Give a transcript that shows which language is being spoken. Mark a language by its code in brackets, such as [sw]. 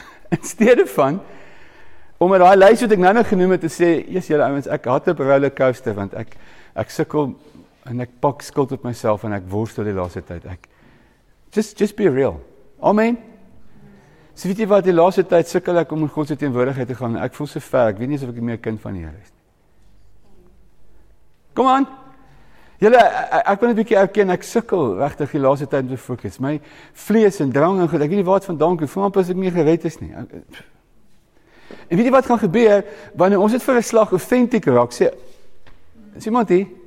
[af] In stede van, om met die lys wat ek nou genoem het, te sê, jees julle ouwens, ek had op roller coaster, want ek sukkel, en ek pak skuld op myself, en ek worstel die laaste tyd. [en] Just be real. [af] Amen. So weet jy wat, die laaste tyd sukkel ek om in Godse teenwoordigheid te gaan, ek voel so ver, ek weet nie of ek meer kind van die Here is. Kom aan. Julle, ek wil net 'n bietjie erken, ek sukkel regtig die laaste tyd om te fokus. My vlees en drang en goed, ek weet nie waar het vandaan kom, voel amper as ek meer gered is nie. En weet jy wat gaan gebeur, wanneer ons het vir 'n slag authentiek raak, sê, is iemand hier?